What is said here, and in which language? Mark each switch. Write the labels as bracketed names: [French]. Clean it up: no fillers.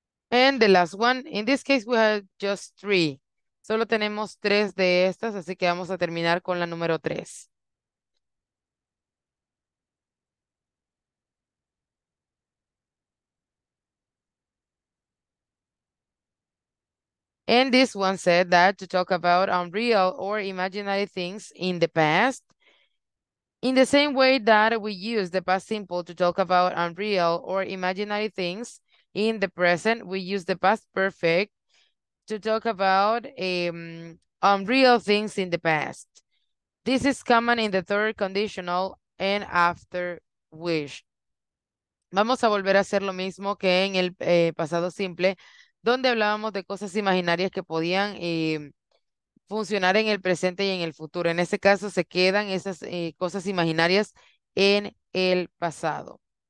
[English] And the last one, in this case we have just three. [Spanish] Solo tenemos tres de estas, así que vamos a terminar con la número tres. [English] And this one said that to talk about unreal or imaginary things in the past, in the same way that we use the past simple to talk about unreal or imaginary things, in the present, we use the past perfect to talk about unreal things in the past. This is common in the third conditional and after wish. [Spanish] Vamos a volver a hacer lo mismo que en el pasado simple, donde hablábamos de cosas imaginarias que podían funcionar en el presente y en el futuro. En ese caso, se quedan esas cosas imaginarias en el pasado.